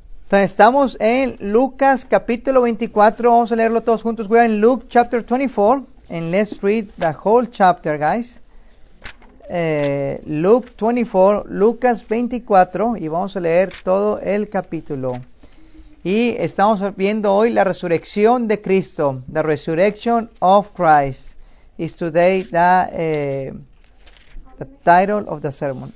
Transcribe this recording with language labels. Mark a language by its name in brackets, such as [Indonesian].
[Spanish] Estamos en Lucas capítulo 24. Vamos a leerlo todos juntos. [English] We're in Luke chapter 24. And let's read the whole chapter, guys. Luke 24, Lucas 24. [Spanish] Y vamos a leer todo el capítulo. Y estamos viendo hoy la resurrección de Cristo. [English] The resurrection of Christ is today the title of the sermon.